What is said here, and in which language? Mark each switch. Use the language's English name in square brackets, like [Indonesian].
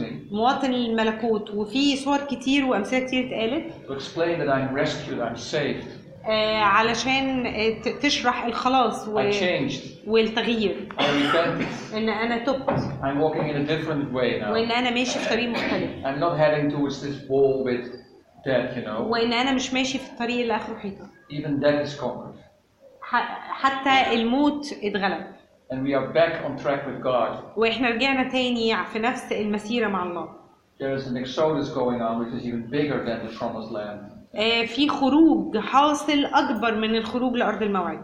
[Arabic] مواطن الملكوت وفي صور كتير وأمثلة كتير اتقالت. [English] Explain that I'm rescued, I'm saved. [Arabic] علشان تشرح الخلاص والتغيير. إن أنا تبت. [English] I'm walking in a different way now. [Arabic] وإن أنا ماشي في طريق مختلف. [English] I'm not heading towards this wall with death, you know. [Arabic] وإن أنا مش ماشي في الطريق اللي آخره حيطة. [English] Even death is conquered. [Arabic] حتى الموت اتغلب. [English] And we are back on track with God. [Arabic] وإحنا رجعنا تاني في نفس المسيرة مع الله. [English] There is an exodus going on, which is even bigger than the promised land. [Arabic] في خروج حاصل أكبر من الخروج لأرض الموعد.